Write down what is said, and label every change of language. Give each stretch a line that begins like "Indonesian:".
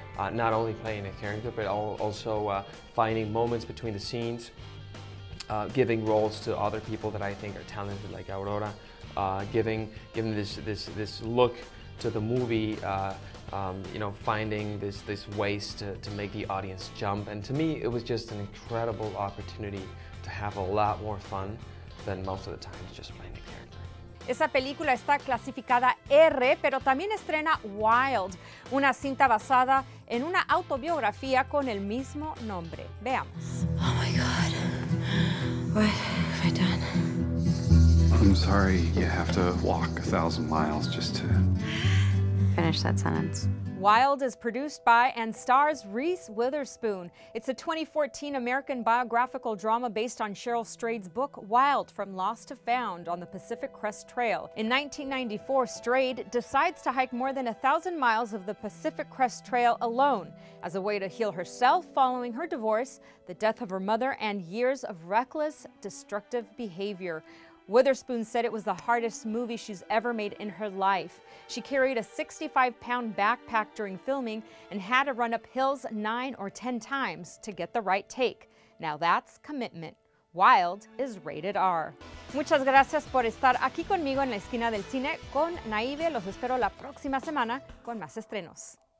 English: Not only playing a character, but also finding moments between the scenes, giving roles to other people that I think are talented, like Aurora, giving this look to the movie, you know, finding this ways to make the audience jump. And to me, it was just an incredible opportunity to have a lot more fun than most of the time just playing a character.
Spanish: Esa película está clasificada R, pero también estrena Wild, una cinta basada en una autobiografía con el mismo nombre. Veamos.
English: Oh my God. What have I done? I'm sorry you have to walk 1,000 miles just to finish that sentence. Wild is produced by and stars Reese Witherspoon. It's a 2014 American biographical drama based on Cheryl Strayed's book, Wild, From Lost to Found on the Pacific Crest Trail. In 1994, Strayed decides to hike more than 1,000 miles of the Pacific Crest Trail alone as a way to heal herself following her divorce, the death of her mother, and years of reckless, destructive behavior. Witherspoon said it was the hardest movie she's ever made in her life. She carried a 65-pound backpack during filming and had to run up hills 9 or 10 times to get the right take. Now that's commitment. Wild is rated R.
Spanish: Muchas gracias por estar aquí conmigo en La Esquina del Cine con Naive. Los espero la próxima semana con más estrenos.